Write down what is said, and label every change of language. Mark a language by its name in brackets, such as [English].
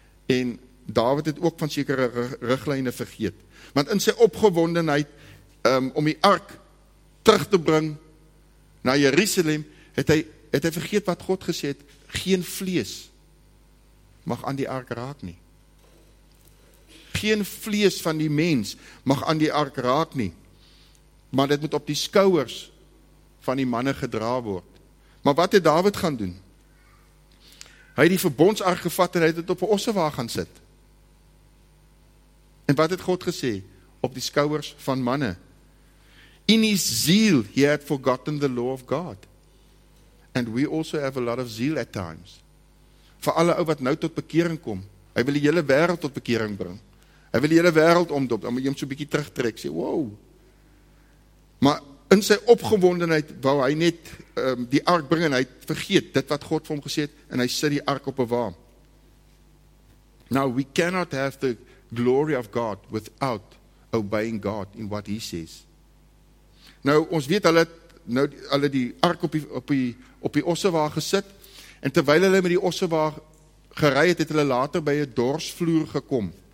[Afrikaans] En Dawid het ook van sekere riglyne vergeet. Want in sy opgewondenheid om die ark terug te bring na Jerusalem, het hy vergeet wat God gesê het, geen vlees mag aan die ark raak nie. Geen vlees van die mens mag aan die ark raak nie. Maar dit moet op die skouers van die manne gedra word. Maar wat het Dawid gaan doen? Hy het die verbondsark gevat en hy het dit op 'n ossewa gaan sit. En wat het God gesê? Op die skouers van manne. [English] In his zeal he had forgotten the law of God. And we also have a lot of zeal at times. [Afrikaans] Vir alle ou wat nou tot bekering kom, hy wil die hele wêreld tot bekering bring. Hy wil die hele wêreld omdop. Dan moet jy hom so 'n bietjie terugtrek, sê wow. Maar in sy opgewondenheid wou hy net die ark bring, en hy vergeet dit wat God vir hom gesê het, en hy sit die ark op 'n wa. [English] Now we cannot have the glory of God without obeying God in what he says. [Afrikaans] Nou ons weet hulle die ark op die ossewa gesit, en terwyl hulle met die ossewa gery het, het hulle later by 'n dorsvloer gekom.